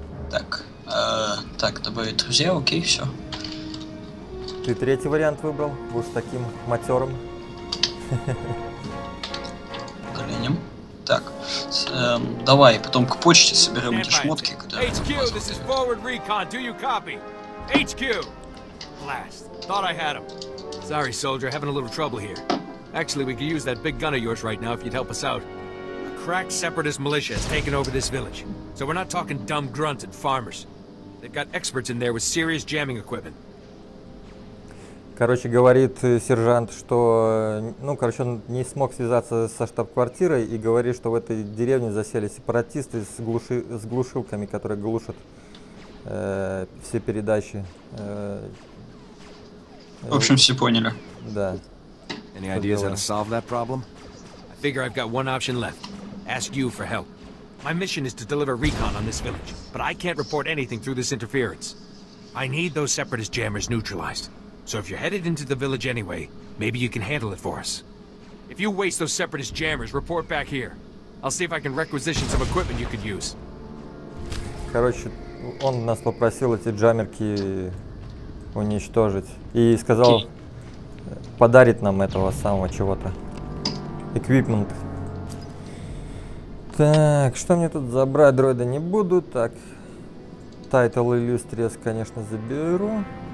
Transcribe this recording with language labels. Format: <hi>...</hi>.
<ru>Так, так, добавить друзья, окей, все. Ты третий вариант выбрал? Будешь таким матерым? Коленем. Так, давай, потом к почте соберем эти шмотки, когда...</ru> <en>HQ, this is forward recon, do you copy? HQ! Blast, thought I had him. Sorry, soldier, having a little trouble here. Actually, we could use that big gun of yours right now if you'd help us out. A crack separatist militia has taken over this village. So we're not talking dumb grunts and farmers. They've got experts in there with serious jamming equipment.</en> <ru>Короче, говорит сержант, что... Ну, короче, он не смог связаться со штаб-квартирой и говорит, что в этой деревне засели сепаратисты с глушилками, которые глушат все передачи. В общем, все поняли. Да.</ru> <en>Any ideas how to solve that problem? I figure I've got one option left. Ask you for help. My mission is to deliver recon on this village, but I can't report anything through this interference. I need those separatist jammers neutralized. So if you're headed into the village anyway, maybe you can handle it for us. If you waste those separatist jammers, report back here. I'll see if I can requisition some equipment you could use.</en> <ru>Короче, он нас попросил эти джамерки уничтожить. И сказал подарить нам этого самого чего-то. Эквипмент. Так, что мне тут забрать? Дроида не буду. Так, Title Illustrious, конечно, заберу.</ru>